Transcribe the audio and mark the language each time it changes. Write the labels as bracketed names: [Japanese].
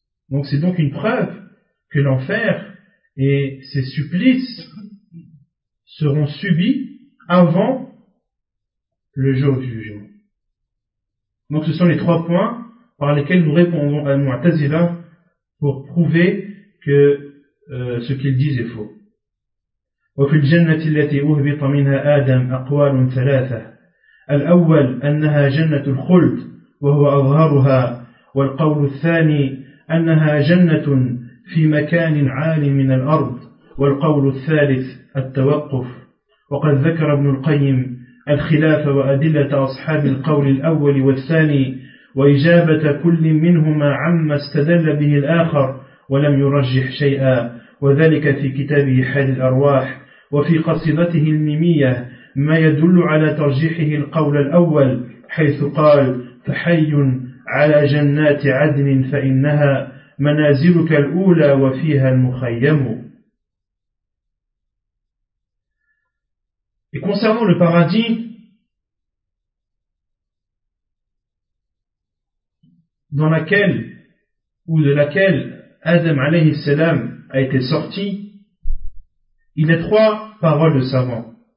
[French] Donc c'est donc une preuve que l'enfer et ses supplices seront subis avant le jour du jugement. Donc ce sont les trois points par lesquels nous répondons à Mu'tazila pour prouver que ce qu'ils disent est faux. [Arabic] وفي الجنة التي أهبط منها آدم أقوال ثلاثة الأول أنها جنة الخلد وهو أظهرها والقول الثاني أنها جنة في مكان عال من الأرض والقول الثالث التوقف وقد ذكر ابن القيم الخلاف وأدلة أصحاب القول الأول والثاني وإجابة كل منهما عما استدل به الآخر ولم يرجح شيئا وذلك في كتابه حال الأرواح وفي قصيدته الميمية ما يدل على ترجيحه القول الأول حيث قال فحي على جنات عدن فإنها منازلك الأولى وفيها المخيم. [French] Et concernant le paradis, dans laquelle ou de laquelle Adam alayhi salam a été sorti, il y a trois paroles de savants.